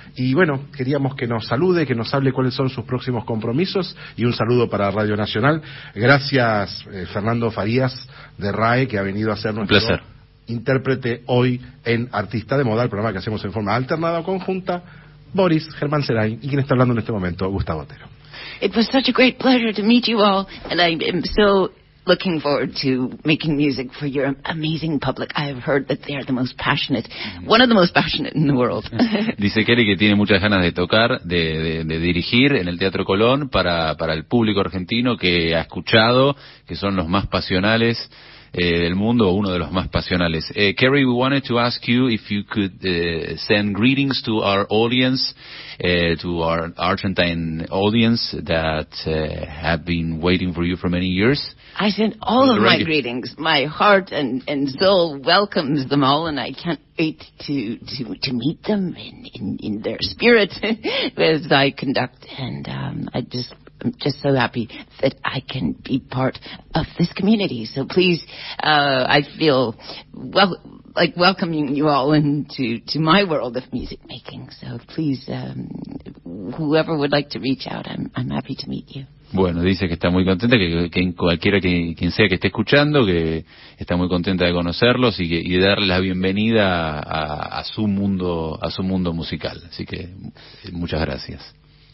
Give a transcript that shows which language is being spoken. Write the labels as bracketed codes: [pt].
[es] Y bueno, queríamos que nos salude, que nos hable cuáles son sus próximos compromisos, y un saludo para Radio Nacional. Gracias, Fernando Farías de RAE, que ha venido a hacer nuestro placer intérprete hoy en Artista de Moda, el programa que hacemos en forma alternada o conjunta, Boris Germán Serain, y quien está hablando en este momento, Gustavo Otero. [en] It was such a great pleasure to meet you all, and I am so looking forward to making music for your amazing public. I have heard that they are the most passionate, one of the most passionate in the world. [es] Dice Keri que tiene muchas ganas de tocar, de dirigir en el Teatro Colón para el público argentino que ha escuchado, que son los más pasionales del mundo, uno de los más pasionales. [en] Keri, we wanted to ask you if you could send greetings to our audience, to our Argentine audience that have been waiting for you for many years. I send all of my greetings. My heart and soul welcomes them all, and I can't wait to meet them in their spirit as I conduct. And I'm just so happy that I can be part of this community. So please, I feel welcoming you all into my world of music making. So please, whoever would like to reach out, I'm happy to meet you. [es] Bueno, dice que está muy contenta, que cualquiera quien sea que esté escuchando, que está muy contenta de conocerlos y de darle la bienvenida a su mundo musical. Así que muchas gracias.